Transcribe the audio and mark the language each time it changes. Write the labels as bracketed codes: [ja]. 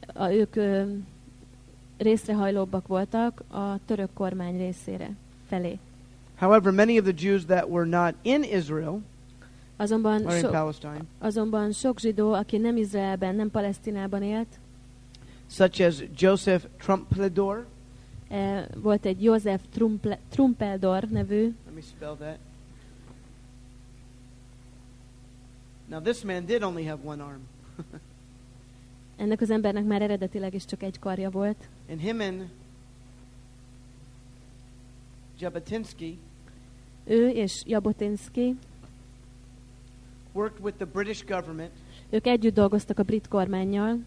[hu] Ők részrehajlóbbak voltak a török kormány részére felé. [en] However, many of the Jews that were not in Israel, [hu] azonban [en] or in Palestine, [hu] azonban sok zsidó, aki nem Izraelben, nem Palesztinában élt, [en] such as Joseph Trumpeldor, [hu] volt egy Joseph Trumpeldor nevű. [en] Let me spell that. Now this man did only have one arm. [hu] Ennek az embernek már eredetileg is csak egy karja volt. [en] And him and Jabotinsky. [hu] Ő és Jabotinsky [en] worked with the British government. [hu] Ők együtt dolgoztak a brit kormánnyal.